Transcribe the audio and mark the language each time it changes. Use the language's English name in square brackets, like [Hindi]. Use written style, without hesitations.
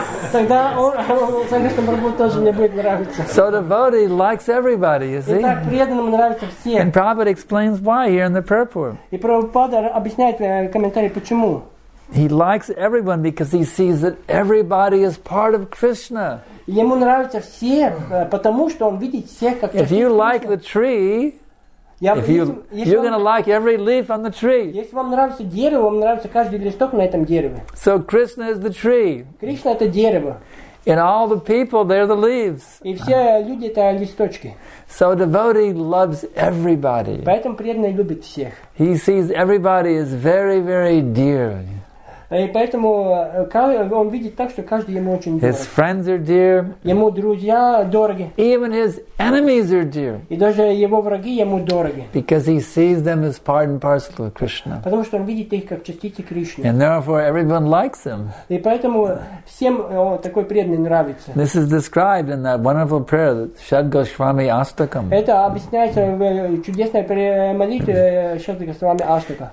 [Russian] Тогда Санкашна Прабху тоже мне будет нравиться. [English] So devotee likes everybody, you see? [Russian] Итак, преданному нравится все. [English] And Prabhupada explains why here in the purport. [Russian] И Прабхупада объясняет в комментарии, почему. [English] He likes everyone because he sees that everybody is part of Krishna. [Russian] Ему нравятся все, потому что он видит всех как. [English] If you like the tree, you're going to like every leaf on the tree. [Russian] Если вам нравится дерево, вам нравится каждый листок на этом дереве. [English] So Krishna is the tree. [Russian] Кришна это дерево. [English] And all the people, they're the leaves. [Russian] И все люди это листочки. [English] So a devotee loves everybody. [Russian] Поэтому преданный любит всех. [English] He sees everybody as very, very dear. [Russian] И поэтому он видит так, что каждый ему очень дорог. [English] His friends are dear. [Russian] Ему друзья дороги. [English] Even his enemies are dear. [Russian] И даже его враги ему дороги. [English] Because he sees them as part and parcel of Krishna. [Russian] Потому что он видит их как частицы Кришны. [English] And therefore everyone likes him. [Russian] И поэтому всем такой преданный нравится. [English] This is described in that wonderful prayer, that Shad Goswami Astakam. [Russian] Это объясняется в чудесной молитве Шад Госвами Астака.